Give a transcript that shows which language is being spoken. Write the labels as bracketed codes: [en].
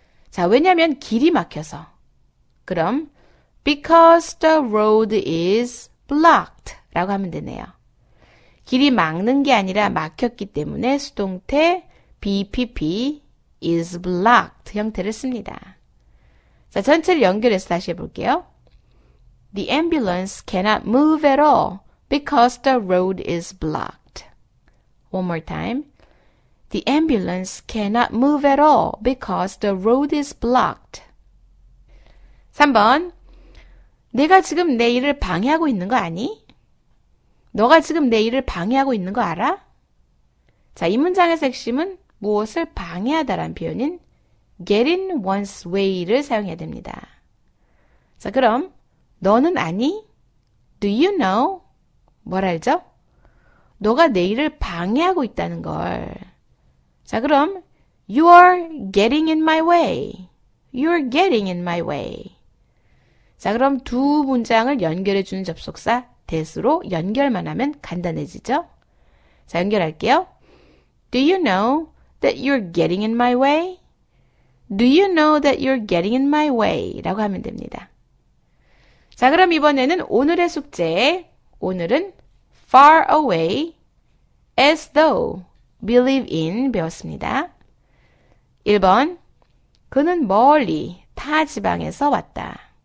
[ko] 자, 왜냐면 길이 막혀서. 그럼 [en] because the road is blocked [ko] 라고 하면 되네요. 길이 막는 게 아니라 막혔기 때문에 수동태 BPP is blocked 형태를 씁니다. 자, 전체를 연결해서 다시 해볼게요. [en] The ambulance cannot move at all because the road is blocked. One more time. The ambulance cannot move at all because the road is blocked. [ko] 3번. 내가 지금 내 일을 방해하고 있는 거 아니? 너가 지금 내 일을 방해하고 있는 거 알아? 자, 이 문장의 핵심은 무엇을 방해하다라는 표현인 get in one's way를 사용해야 됩니다. 자, 그럼 너는 아니? [en] Do you know? [ko] 뭘 알죠? 너가 내 일을 방해하고 있다는 걸. 자, 그럼 [en] You are getting in my way. You are getting in my way. [ko] 자, 그럼 두 문장을 연결해 주는 접속사 that으로 연결만 하면 간단해지죠? 자, 연결할게요. [en] Do you know that you're getting in my way? Do you know that you're getting in my way? [ko] 라고 하면 됩니다. 자, 그럼 이번에는 오늘의 숙제. 오늘은 far away, as though, believe in 배웠습니다. 1번, 그는 멀리 타 지방에서 왔다.